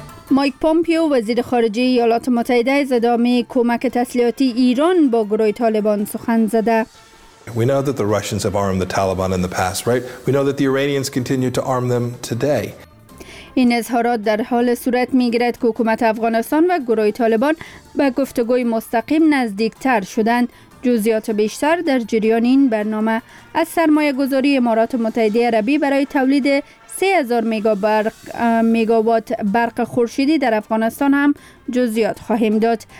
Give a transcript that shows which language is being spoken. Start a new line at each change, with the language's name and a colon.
Persian: مایک پومپیو وزیر خارجه ایالات متحده از ادامه کمک تسلیحاتی ایران با گروه طالبان سخن زده.
English: We know that the Russians have armed the Taliban in the past, right? We know that the Iranians continue to arm them today.
Persian: این اظهارات در حال صورت می‌گیرد که حکومت افغانستان و گروه طالبان به گفتگوی مستقیم نزدیک‌تر شدند. جزئیات بیشتر در جریان این برنامه. از سرمایه‌گذاری امارات متحده عربی برای تولید 3000 مگاوات برق خورشیدی در افغانستان هم جزئیات خواهیم داد.